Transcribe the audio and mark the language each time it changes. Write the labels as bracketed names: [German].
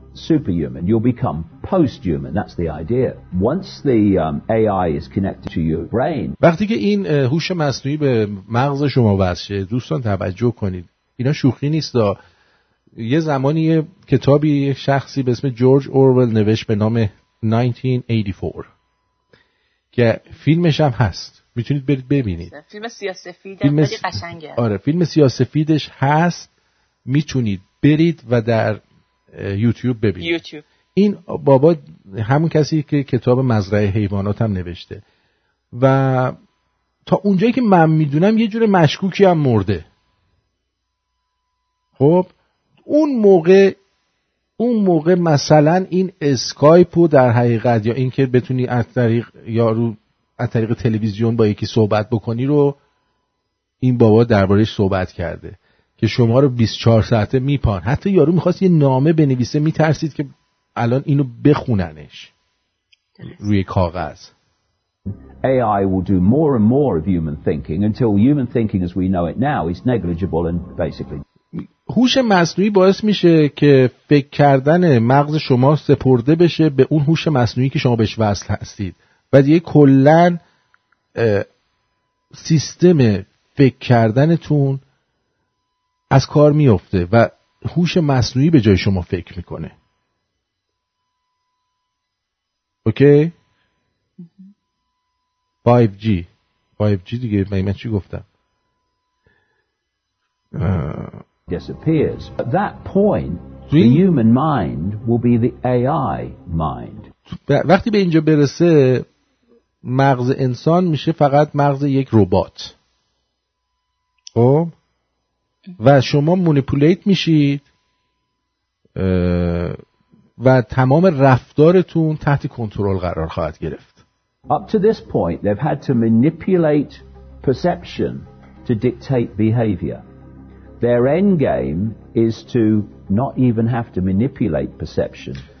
[English] Superhuman, you'll become post-human. That's the idea. Once the AI is connected to your brain. [Persian] وقتی که این هوش مصنوعی به مغز شما وصل شه، دوستان توجه کنید. اینا شوخی نیستا. یه زمانی یه کتابی یه شخصی به اسم جورج اورول نوشت به نام 1984 که فیلمش هم هست. میتونید برید ببینید. فیلم سیاه‌سفید خیلی قشنگه. آره فیلم سیاه‌سفیدش هست. میتونید برید و در یوتیوب ببینید. یوتیوب. این بابا همون کسی که کتاب مزرعه حیوانات هم نوشته. و تا اونجایی که من میدونم یه جور مشکوکی هم مرده. خب اون موقع مثلا این اسکایپو در حقیقت یا این که بتونی از طریق یارو از طریق تلویزیون با یکی صحبت بکنی رو این بابا دربارش صحبت کرده که شما رو 24 ساعته میپان. حتی یارو میخواست یه نامه بنویسه میترسید که الان اینو بخوننش روی کاغذ. [English] AI will do more and more of human thinking until human thinking as we know it now is negligible and basically. [Persian] هوش مصنوعی باعث میشه که فکر کردن مغز شما سپرده بشه به اون هوش مصنوعی که شما بهش وصل هستید و دیگه کلن سیستم فکر کردنتون از کار میفته و هوش مصنوعی به جای شما فکر میکنه. اوکی؟ 5G دیگه من چی گفتم؟ [English] Disappears. At that point, the human mind will be the AI mind. [Persian] وقتی به اینجا برسه مغز انسان میشه فقط مغز یک ربات. خب و شما مانیپولیت میشید و تمام رفتارتون تحت کنترل قرار خواهد گرفت. [English] Up to this point they've had to manipulate perception to dictate behavior. Their end game is to not even have to manipulate perception.